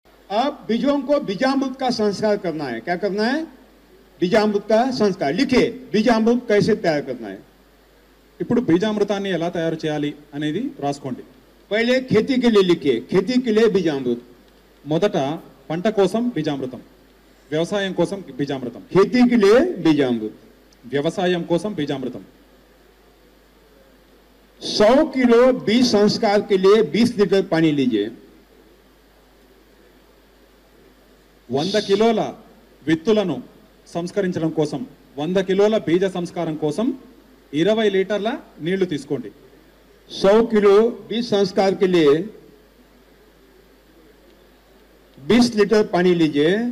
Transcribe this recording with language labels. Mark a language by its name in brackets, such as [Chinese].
[Hindi] अब बीजों को बीजामृत का संस्कार करना है. क्या करना है? बीजामृत का संस्कार. लिखिए बीजामृत कैसे तैयार करना है. [Telugu] ఇప్పుడు బీజామృతాన్ని ఎలా తయారు చేయాలి అనేది రాసుకోండి. [Hindi] पहले खेती के लिए लिखिए. खेती के लिए बीजामृत. [Telugu] మొదట పంట కోసం బీజామృతం. వ్యవసాయం కోసం బీజామృతం. [Hindi] खेती के लिए बीजामृत. [Telugu] వ్యవసాయం కోసం బీజామృతం. [Hindi] 100 किलो बीज संस्कार के लिए 20 लीटर पानी लीजिए. [Telugu] 100 కిలోల విత్తులను సంస్కరించడం కోసం 100 కిలోల బీజ సంస్కారం కోసం 20 లీటర్ల నీళ్లు తీసుకోండి. [Hindi] 100 కిలో బీజ సంస్కారం కి 20 లీటర్ పని లీజే.